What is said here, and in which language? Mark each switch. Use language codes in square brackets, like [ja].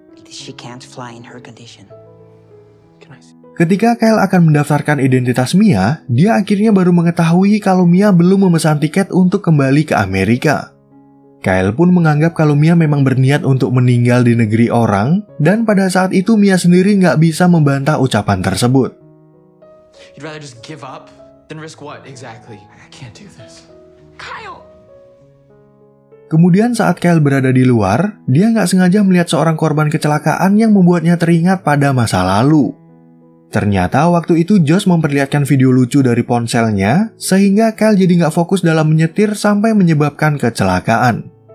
[en] She can't fly in her condition. [id] Ketika Kyle akan mendaftarkan identitas Mia, dia akhirnya baru mengetahui kalau Mia belum memesan tiket untuk kembali ke Amerika. Kyle pun menganggap kalau Mia memang berniat untuk meninggal di negeri orang, dan pada saat itu Mia sendiri gak bisa membantah ucapan tersebut. [en] You'd rather just give up? Then risk what exactly? I can't do this. Kyle. [id] Kemudian saat Kyle berada di luar, dia nggak sengaja melihat seorang korban kecelakaan yang membuatnya teringat pada masa lalu. Ternyata waktu itu Josh memperlihatkan video lucu dari ponselnya, sehingga Kyle jadi nggak fokus dalam menyetir sampai menyebabkan kecelakaan.